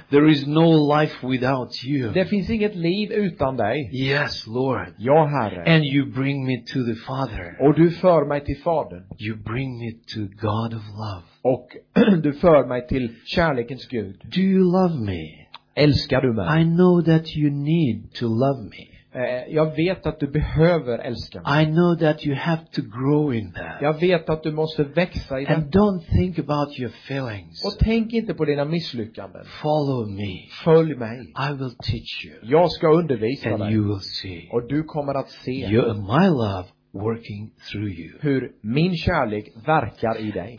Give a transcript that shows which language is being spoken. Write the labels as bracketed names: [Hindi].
[English] There is no life without you. [Swedish] Det finns inget liv utan dig. [English] Yes, Lord. [Swedish] Ja, Herre. [English] And you bring me to the Father. [Swedish] Och du för mig till Fadern. [English] You bring me to God of love. [Swedish] Och du för mig till kärlekens Gud. [English] Do you love me? [Swedish] Älskar du mig? [English] I know that you need to love me. [Swedish] Jag vet att du behöver älska mig. [English] I know that you have to grow in that. [Swedish] Jag vet att du måste växa i det. [English] And don't think about your feelings. [Swedish] Och tänk inte på dina misslyckanden. [English] Follow me. [Swedish] Följ mig. [English] I will teach you. [Swedish] Jag ska undervisa [English] and [Swedish] dig. [English] And you will see. [Swedish] Och du kommer att se. [English] My love working through you. [Swedish] Hur min kärlek verkar i dig.